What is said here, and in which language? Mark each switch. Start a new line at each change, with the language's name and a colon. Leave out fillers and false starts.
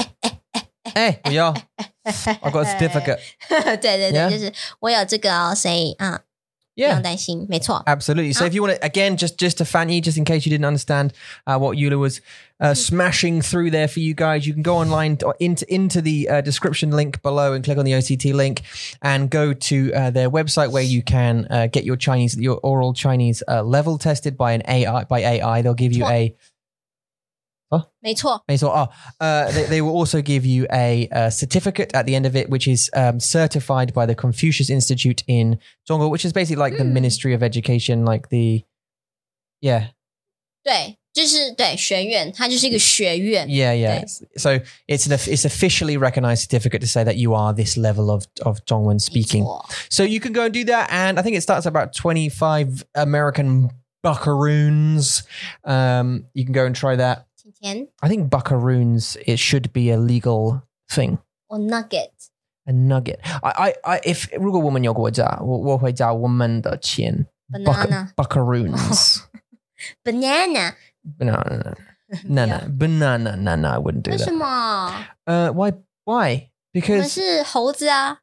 Chinese: 这样子呢,在以后你想如果想要去中国工作,去中国读书,或者是来台湾旅游,打工,念书,都可以,你可以show给你的boss看,说,哎,我要,
English: I got a certificate.
Chinese: 对,就是我有这个,所以,嗯。
English: Yeah. Absolutely. So if you want to, again, just to fan you, just in case you didn't understand what Yula was smashing through there for you guys, you can go online or into the description link below and click on the OCT link and go to their website where you can get your Chinese, your oral Chinese level tested by AI. They'll give you a...
Chinese: 没错。
English: They will also give you a certificate at the end of it, which is certified by the Confucius Institute in Zhongguo, which is basically like the Ministry of Education, like the, yeah.
Chinese: 对,学院,它就是一个学院。
English: Yeah, yeah. So it's officially recognized certificate to say that you are this level of Zhongwen speaking.
Chinese: 没错.
English: So you can go and do that, and I think it starts at about 25 American buckaroons. You can go and try that. I think buckaroons, it should be a legal thing. Or nugget. A nugget.
Chinese: If 如果我们有国家,我会叫我们的钱.
English: Banana. Buckaroons. Banana. Banana. I wouldn't do that.
Chinese: 为什么?
English: Why? Because
Chinese: 我们是猴子啊。